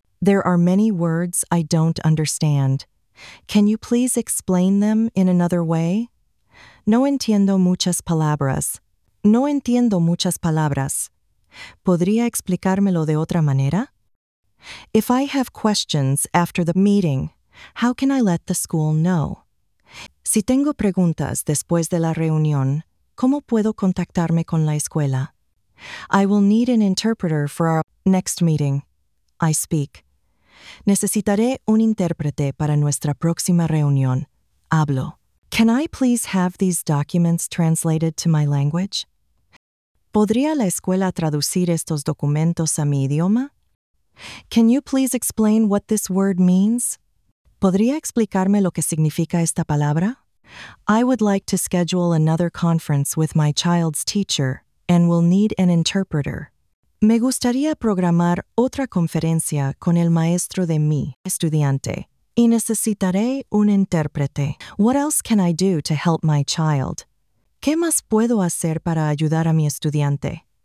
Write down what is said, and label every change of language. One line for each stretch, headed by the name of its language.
English: There are many words I don't understand. Can you please explain them in another way?
Spanish: No entiendo muchas palabras. No entiendo muchas palabras. ¿Podría explicármelo de otra manera?
English: If I have questions after the meeting, how can I let the school know?
Spanish: Si tengo preguntas después de la reunión, ¿cómo puedo contactarme con la escuela?
English: I will need an interpreter for our next meeting. I speak.
Spanish: Necesitaré un intérprete para nuestra próxima reunión. Hablo.
English: Can I please have these documents translated to my language?
Spanish: ¿Podría la escuela traducir estos documentos a mi idioma?
English: Can you please explain what this word means?
Spanish: ¿Podría explicarme lo que significa esta palabra?
English: I would like to schedule another conference with my child's teacher and will need an interpreter.
Spanish: Me gustaría programar otra conferencia con el maestro de mi estudiante. Y necesitaré un intérprete.
English: What else can I do to help my child?
Spanish: ¿Qué más puedo hacer para ayudar a mi estudiante?